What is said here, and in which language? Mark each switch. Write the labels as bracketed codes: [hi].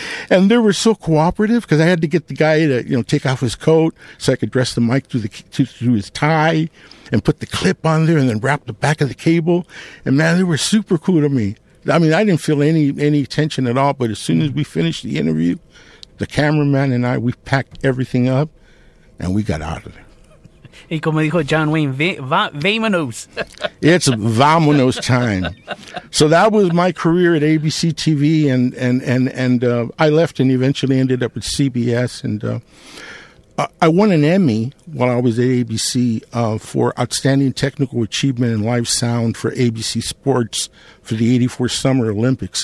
[en] And they were so cooperative, because I had to get the guy to, you know, take off his coat so I could dress the mic through his tie and put the clip on there and then wrap the back of the cable. And, man, they were super cool to me. I mean, I didn't feel any tension at all, but as soon as we finished the interview, the cameraman and I, we packed everything up and we got out of there. [es] Y como dijo John Wayne, vámonos. [en] It's vámonos time. So that was my career at ABC TV, and I left and eventually ended up at CBS. And I won an Emmy while I was at ABC for Outstanding Technical Achievement in Live Sound for ABC Sports for the 84 Summer Olympics.